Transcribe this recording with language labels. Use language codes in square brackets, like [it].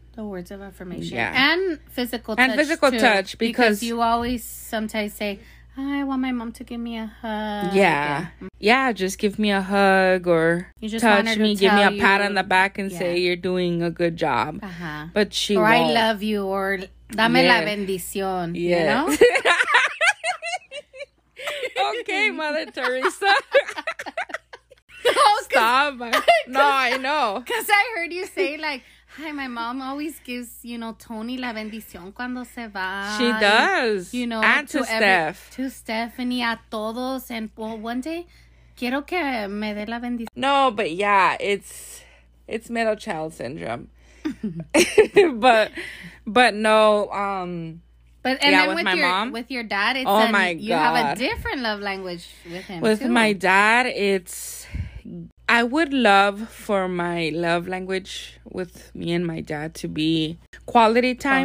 [en] The words of affirmation. Yeah. And physical touch. And physical touch. Because you always sometimes say, I want my mom to give me a hug. Yeah. Yeah, just give me a hug or you just touch me, give me a pat on the back and say you're doing a good job. Uh-huh. But she or won't. I love you or [es] dame la bendición. [en] Yeah. You know? Okay, Mother Teresa. Stop. No, I know. Because I heard you say like, hi, my mom always gives, you know, Tony [es] la bendición cuando se va. [en] She does. You know, and to Steph. To Stephanie, [es] a todos. [en] And well, one day, [es] quiero que me dé la bendición. [en] No, but yeah, it's middle child syndrome. but no. But and yeah, then with my mom. With your dad, it's you have a different love language with him, With too. My dad, it's... I would love for my love language with me and my dad to be quality time.